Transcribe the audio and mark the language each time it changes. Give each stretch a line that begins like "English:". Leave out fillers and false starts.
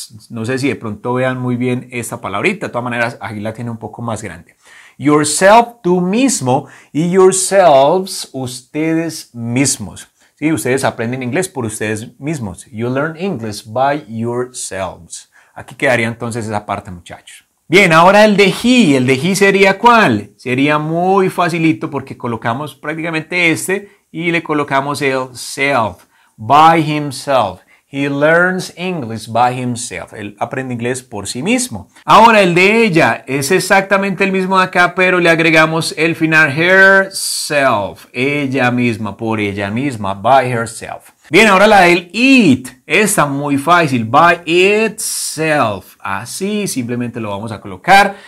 Spanish: No sé si de pronto vean muy bien esta palabrita. De todas maneras, aquí la tiene un poco más grande. Yourself, tú mismo, y yourselves, ustedes mismos. Sí, ustedes aprenden inglés por ustedes mismos.
English: You learn English by yourselves.
Spanish: Aquí quedaría entonces esa parte, muchachos. Bien, ahora el de he. ¿El de he sería cuál? Sería muy facilito porque colocamos prácticamente este y le colocamos el self.
English: By himself. He learns English by himself.
Spanish: Él aprende inglés por sí mismo. Ahora el de ella. Es exactamente el mismo de acá, pero le agregamos el final. Herself. Ella misma, por ella misma.
English: By herself.
Spanish: Bien, ahora la del it. Está muy fácil.
English: By itself.
Spanish: Así simplemente lo vamos a colocar.